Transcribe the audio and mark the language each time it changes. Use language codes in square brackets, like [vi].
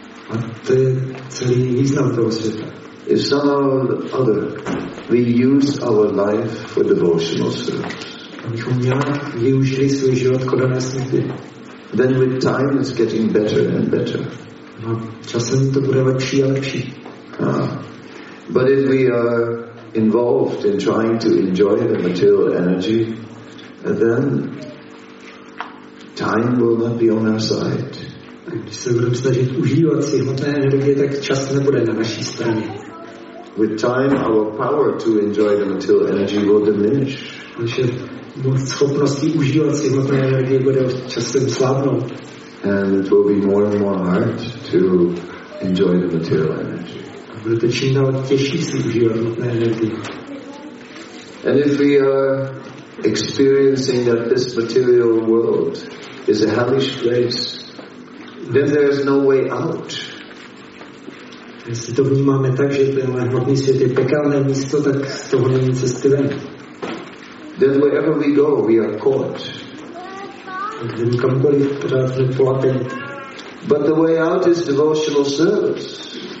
[cs] A to je celý význam toho světa. [en] If somehow or other we use our life for devotional service, [cs] abychom nějak využili svůj život k dané službě, [en] then with time it's getting better and better. [cs] No, časem to bude lepší a lepší. [en] But if we are involved in trying to enjoy the material energy, then time will not be on our side. [cs] Když se budeme snažit užívat si hmotné energie, tak čas nebude na naší straně. [en] With time, our power to enjoy the material energy will diminish. [cs] Naše schopnosti užívat si hmotné energie bude časem slábnout. [en] And it will be more and more hard to enjoy the material energy. [cs] A bude to čím dál těžší si užívat hmotné energie. [en] And if we are experiencing that this material world is a hellish place, then there is no way out. [cs] Jestli to vnímáme tak, že tenhle hmotný svět je pekelné místo, tak z toho není cesty ven. [en] Then wherever we go, we are caught. [cs] Jdeme kamkoliv, právě polapení. [en] But the way out is devotional service.